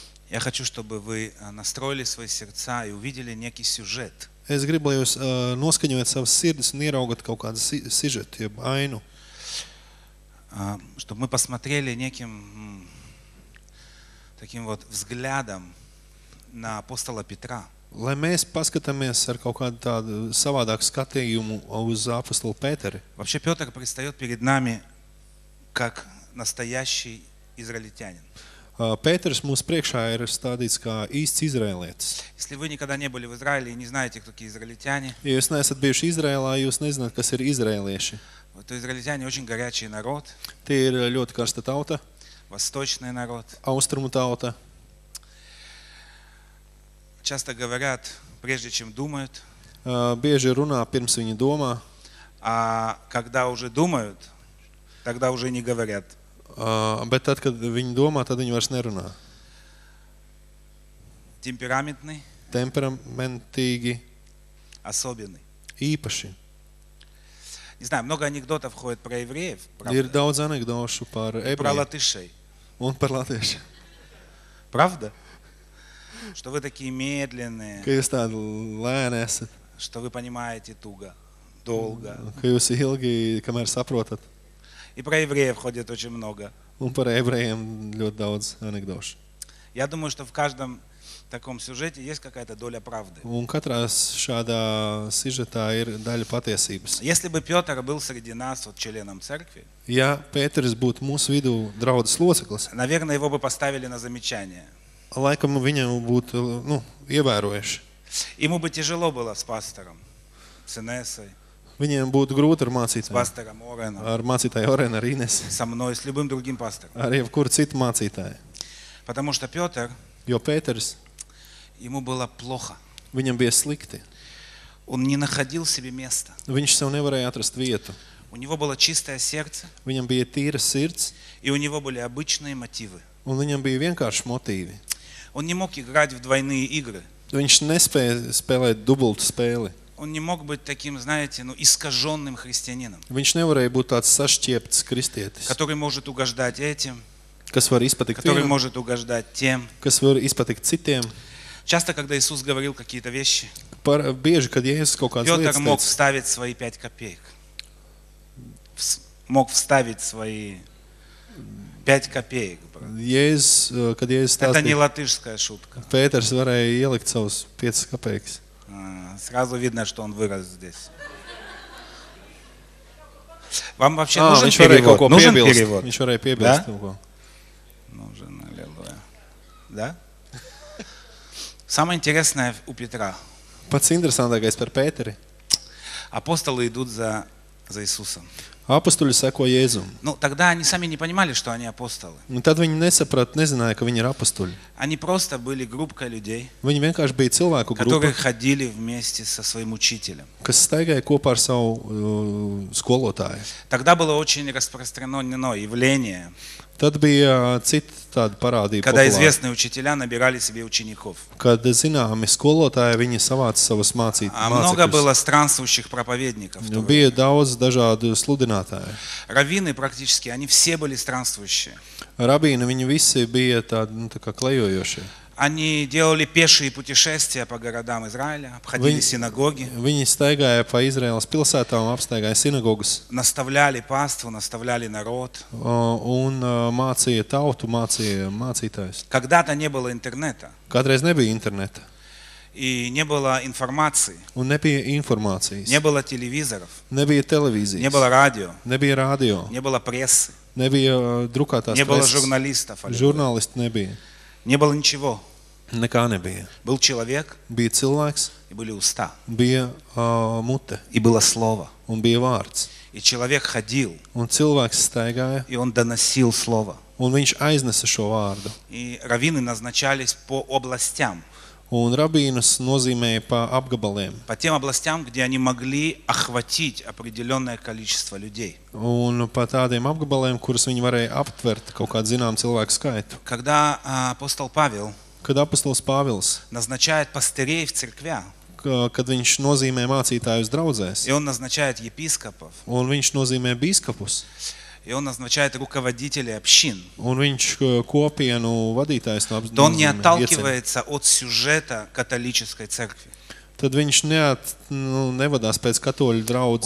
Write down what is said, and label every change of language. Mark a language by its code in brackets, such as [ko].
[ru] Я хочу, чтобы вы настроили свои сердца и увидели некий сюжет. [lv] Es gribu, lai jūs noskaņojat savas sirdis un ieraugat kaut kādu sižetu, jeb ainu. [ru] Чтобы мы посмотрели неким таким вот взглядом на апостола Петра. [lv] Lai mēs paskatāmies ar kaut kādu tādu savādāku skatījumu uz apostolu Pēteri. [ru] Вообще Пётр предстаёт перед нами как настоящий израильтянин. [lv] Петрс mums priekšā ir stādīts kā īsts izraēlietis. [ru] Если вы никогда не были в Израиле и не знаете, кто такие израильтяне. [lv] Ja jūs neesat bijuši Izraēlā, jūs nezināt, kas ir izraēlieši. [ru] Вот израильтяне очень горячий народ. [lv] Tie ir ļoti karsta tauta. [ru] Восточный народ. [lv] Austrumu tauta. [ru] Часто говорят, прежде чем думают. [lv] Bieži runā pirms viņi domā. [ru] А когда уже думают, тогда уже не говорят. [lv] Bet tad, kad viņi domā, tad viņi vairs nerunā. [ru] Temperamentni. [lv] Temperamentīgi. [ru] Особенны. [lv] Īpaši. [ru] Не знаю, много анекдотов ходит про евреев. [lv] Ir daudz anekdošu par ebrejiem. [ru] Про латышей. [lv] Un par latiešiem. [ru] Правда? Что вы такие медленные. [lv] Ka jūs tādi lēni esat. [ru] Что вы понимаете туго, долго. [lv] Ka jūs ilgi, kamēr saprotat. [ru] И про евреев ходит очень много. [lv] Un par ebrejiem ļoti daudz anekdošu. [ru] Я думаю, что в каждом таком сюжете есть какая-то доля правды. [lv] Un katrā šādā sižetā ir daļa patiesības. [ru] Если бы Пётр был среди нас, вот членом церкви. [lv] Ja Pēteris būtu mūsu vidū draudzes loceklis. [ru] Наверное, его бы поставили на замечание. [lv] Laikam viņam būtu, ну, ievērojuši. [ru] Ему бы тяжело было с пастором. С Инессой. [lv] Viņiem būtu grūti ar mācītājiem. [ru] С пастором Ореном. [lv] Ar mācītāju Orenu, ar Inesi. [ru] Со мной, с любым другим пастором. [lv] Ar jebkuru citu mācītāju. [ru] Потому что Пётр. [lv] Jo Pēteris. [ru] Ему было плохо. [lv] Viņam bija slikti. [ru] Он не находил себе места. [lv] Viņš sev nevarēja atrast vietu. [ru] У него было чистое сердце. [lv] Viņam bija tīra sirds. [ru] И у него были обычные мотивы. [lv] Un viņam bija vienkārši motīvi. [ru] Он не мог играть в двойные игры. [lv] Viņš nespēja spēlēt dubultu spēli. [ru] Он не мог быть таким, знаете, ну, искажённым христианином. [lv] Viņš nevarēja būt tāds sašķieptis kristietis. [ru] Который может угождать этим. [lv] Kas var izpatikt tiem. [ru] Который может угождать тем. [lv] Kas var izpatikt citiem. [ru] Часто, когда Иисус говорил какие-то вещи, [lv] bieži, kad Jēzus kaut kādas lietas teica, [ru] Пётр мог вставить свои 5 копеек. Мог вставить свои 5 копеек. [lv] Jēzus, kad Jēzus [ru] стал... Это не латышская шутка. [lv] Pēters varēja ielikt savus 5 копеекс. [ru] Сразу видно, что он вырос здесь. Вам вообще нужен перевод? Нужен перевод? [lv] Viņš varēja piebilst kaut ko. [ru] Нужен, аллилуйя. Да? Самое интересное у Петра. [lv] Pats interesantākais par Pēteri. [ru] Апостолы идут за Иисусом. [lv] Апостоли сако Jēzu. [ru] Ну, тогда они сами не понимали, что они апостолы. [lv] Ну, tad viņi nesaprat, nezināja, ka viņi ir apostoli. [ru] Они просто были группа людей. [lv] Viņi vienkārši bija cilvēku grupa. [ru] Которые ходили вместе со своим учителем. [lv] Kas staigāja kopā ar savu skolotāju. [ru] Тогда было очень распространено явление. [lv] Tad bija cita tāda parādība. Kad [ru] известные учителя набирали себе учеников. [lv] Kad zināmi skolotāji viņi savāca savus mācītājus. [ru] Много было странствующих проповедников. [lv] Bija daudz dažādu sludinātāju. [ru] Раввины практически, они все были странствующие. [lv] Рабины, viņi visi bija tādi, nu, tā kā klejojošie. [ru] Они делали пешие путешествия по городам Израиля, обходили синагоги. [lv] Viņi staigāja pa Izraēlas pilsētām, apstaigāja sinagogas. [ru] Наставляли паству, наставляли народ. [lv] Un mācīja tautu, mācīja mācītājus. [ru] Когда-то не было интернета. [lv] Kādreiz nebija interneta. [ru] И не было информации. [lv] Un nebija informācijas. [ru] Не было телевизоров. [lv] Nebija televīzijas. [ru] Не было радио. [lv] Nebija radio. [ru] Не было прессы. [lv] Nebija drukātās preses. [ru] Не было журналистов. [lv] Žurnālisti nebija. [ru] Не было ничего. [lv] Nekā nebija. [ru] Был человек. [lv] Bija cilvēks. [ru] И были уста. [lv] Bija mute. [ru] И было слово. [lv] Un bija vārds. [ru] И человек ходил. [lv] Un cilvēks staigāja. [ru] И он доносил слово. [lv] Un viņš aiznesa šo vārdu. [ru] И раввины назначались по областям. [lv] Un rabīnus nozīmēja pa apgabaliem. [ru] По тем областям, где они могли охватить определённое количество людей. [lv] Un pa tādiem apgabaliem, kurus viņi varēja aptvert kaut kādu zināmu cilvēku skaitu. [ru] Когда апостол Павел, [lv] kad apostols Pāvils [ru] назначает пастырей в церквях, [lv] kad viņš nozīmē mācītājus draudzēs. [ru] И он назначает епископов. [lv] Un viņš nozīmē biskupus. [ru] И он назначает руководителей общин. [lv] Un viņš kopienu vadītājs no apzīmē. [ru] Он не отталкивается от сюжета католической церкви. [lv] Tad viņš nevadās pēc katoļu draudzes.